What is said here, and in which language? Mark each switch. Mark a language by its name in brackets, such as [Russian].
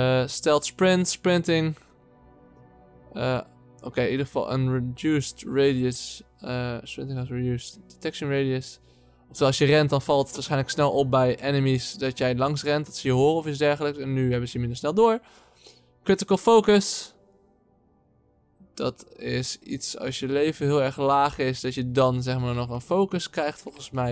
[English] Stealth sprint, sprinting. [Dutch] Oké, in ieder geval een [English] reduced radius. Sprinting has reduced detection radius. [Dutch] Oftewel als je rent, dan valt het waarschijnlijk snel op bij enemies dat jij langs rent. Dat ze je horen of iets dergelijks. En nu hebben ze je minder snel door. [English] Critical focus. [Dutch] Dat is iets als je leven heel erg laag is, dat je dan zeg maar nog een focus krijgt volgens mij.